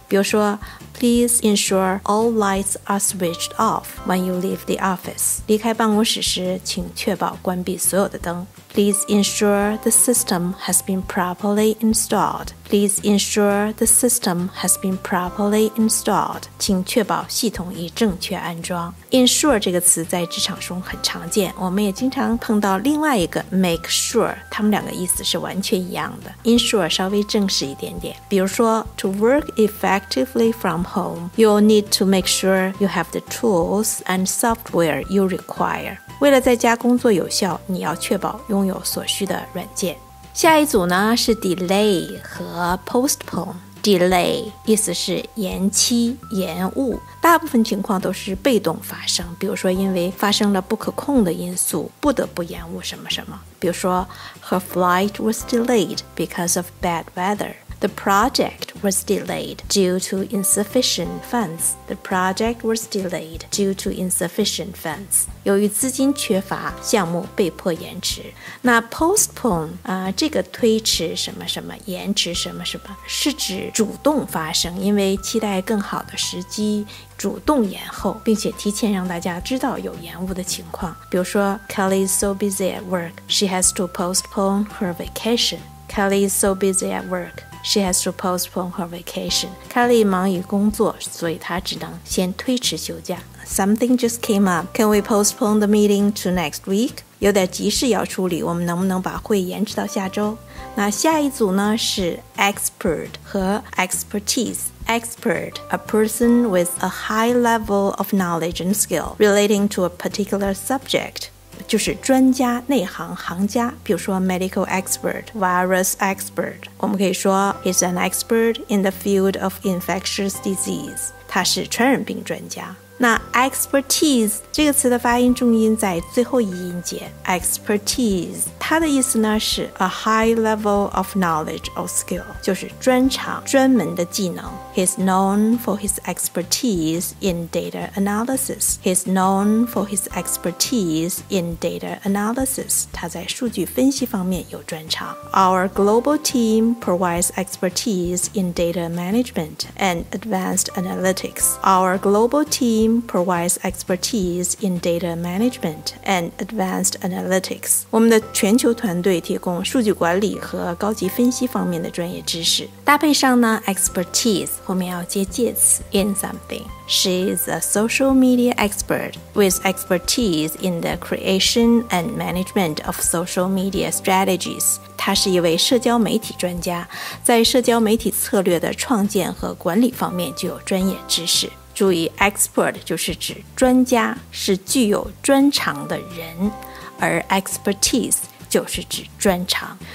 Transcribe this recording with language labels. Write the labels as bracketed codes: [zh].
[zh] 比如说 [en] ，Please ensure all lights are switched off when you leave the office. [zh] 离开办公室时，请确保关闭所有的灯。 [en] Please ensure the system has been properly installed. Please ensure the system has been properly installed. [zh] 请确保系统已正确安装。 Ensure 这个词在职场中很常见，我们也经常碰到另外一个 make sure， 它们两个意思是完全一样的。 [en] Ensure [zh] 稍微正式一点点，比如说 [en] ，To work effectively from home, you'll need to make sure you have the tools and software you require. [zh] 为了在家工作有效，你要确保拥有所需的软件。下一组呢是 delay 和 postpone。 delay 意思是延期、延误，大部分情况都是被动发生，比如说因为发生了不可控的因素，不得不延误什么什么。比如说 [en] ，Her flight was delayed because of bad weather. The project was delayed due to insufficient funds. The project was delayed due to insufficient funds. [zh] 由于资金缺乏，项目被迫延迟。那 postpone 这个推迟什么什么，延迟什么什么，是指主动发生，因为期待更好的时机，主动延后，并且提前让大家知道有延误的情况。比如说 [en] ，Kelly is so busy at work, she has to postpone her vacation. Kelly is so busy at work. She has to postpone her vacation. [zh] Kelly 忙于工作，所以她只能先推迟休假。 [en] Something just came up. Can we postpone the meeting to next week? [zh] 有点急事要处理，我们能不能把会延迟到下周？那下一组呢，是 expert 和 expertise。 [en] Expert, a person with a high level of knowledge and skill relating to a particular subject. [zh] 就是专家、内行、行家，比如说 medical expert, virus expert, 我们可以说 [en] he's an expert in the field of infectious disease, [zh] 他是传染病专家。那 expertise 这个词的发音重音在最后一音节 expertise, 它的意思呢是 [en] a high level of knowledge or skill, [zh] 就是专长、专门的技能。 [en] He's known for his expertise in data analysis. He's known for his expertise in data analysis. [zh] 他在数据分析方面有专长。 [en] Our global team provides expertise in data management and advanced analytics. Our global team provides expertise in data management and advanced analytics. [zh] 我们的全球团队提供数据管理和高级分析方面的专业知识。搭配上呢 expertise,后面要接介词 in something. [en] She is a social media expert with expertise in the creation and management of social media strategies. [zh] 她是一位社交媒体专家，在社交媒体策略的创建和管理方面具有专业知识。注意 expert 就是指专家，是具有专长的人，而 expertise 就是指专长。